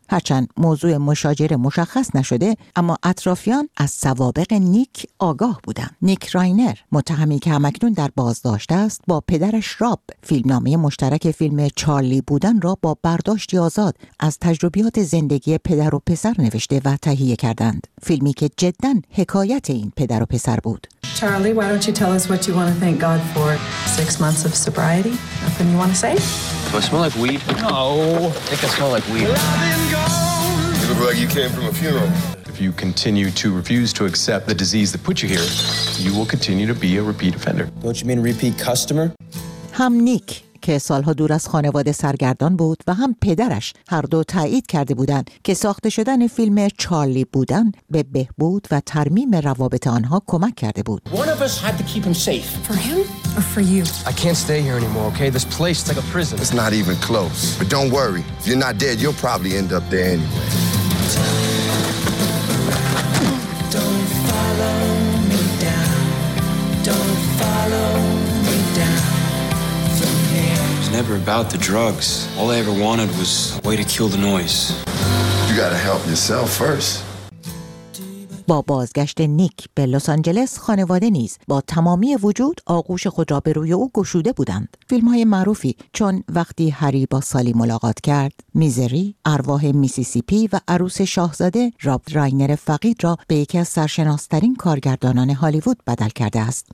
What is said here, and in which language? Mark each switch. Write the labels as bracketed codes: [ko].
[fa] هرچند موضوع مشاجره مشخص نشده، اما اطرافیان از سوابق نیک آگاه بودند. نیک راینر، متهمی که همکنون در بازداشت است، با پدرش راب فیلمنامه مشترک فیلم چارلی بودن را با برداشتی آزاد از تجربیات زندگی پدر و پسر نوشته و تهیه کردند. فیلمی که جدن حکایت این پدر و پسر بود. [en] Charlie, why don't you tell us what you want to thank God for? 6 months of sobriety? Nothing you want to say? Do I smell like weed? No. I think I smell like weed. You look like you came from a funeral. If you continue to refuse to accept the disease that put you here, you will continue to be a repeat offender. Don't you mean repeat customer? [fa] هم نیک که سالها دور از خانواده سرگردان بود و هم پدرش، هر دو تایید کرده بودند که ساخته شدن فیلم چارلی بودن به بهبود و ترمیم روابط آنها کمک کرده بود. [en] One of us had to keep him safe. For him or for you? I can't stay here anymore, okay? This place is like a prison. It's not even close. But don't worry. If you're not dead, you'll probably end up there anyway. Don't follow me down. Don't follow never about the drugs. All I ever wanted was a way to kill the noise. You gotta help yourself first. [fa] با بازگشت نیک به لس آنجلس، خانواده نیز با تمامی وجود آغوش خود را به روی او گشوده بودند. فیلم‌های معروفی چون وقتی هری با سالی ملاقات کرد، میزری، ارواح میسیسیپی و عروس شاهزاده راب راینر فقید را به یکی از سرشناس‌ترین کارگردانان هالیوود بدل کرده است.